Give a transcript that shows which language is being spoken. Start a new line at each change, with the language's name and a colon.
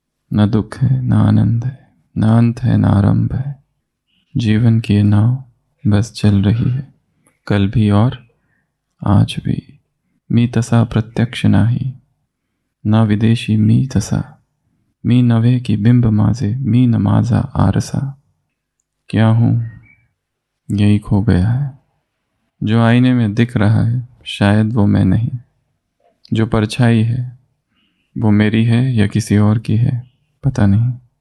Hindi: न दुख है न आनंद है, न अंत है न आरंभ है, जीवन की नाव बस चल रही है, कल भी और आज भी।
Marathi: मी तसा प्रत्यक्ष नाही, ना विदेशी मी तसा, मी नवे की बिंब माजे, मी नमाजा आरसा।
Hindi: क्या हूँ यही खो गया है, जो आईने में दिख रहा है शायद वो मैं नहीं, जो परछाई है वो मेरी है या किसी और की है पता नहीं।